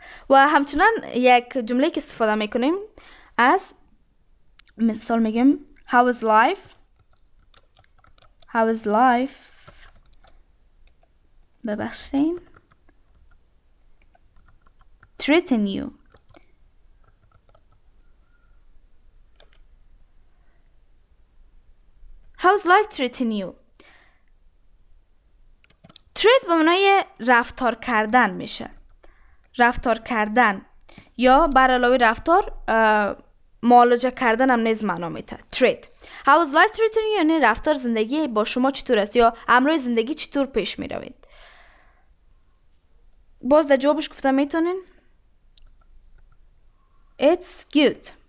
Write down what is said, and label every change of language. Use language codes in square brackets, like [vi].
[fa] و همچنان یک جمله که استفاده میکنیم از مثال میگیم [en] how is life، how is life. [fa] ببخشین [en] treating you، how is life treating you. [fa] treat به معنای رفتار کردن میشه، رفتار کردن، یا برای علاوه رفتار معالجه کردنم نیز معنا میده. Treat. [en] How is life treating you? [fa] یعنی رفتار زندگی با شما چطور است یا امروز زندگی چطور پیش می روید؟ باز در جوابش گفتم میتونین؟ [en] It's good.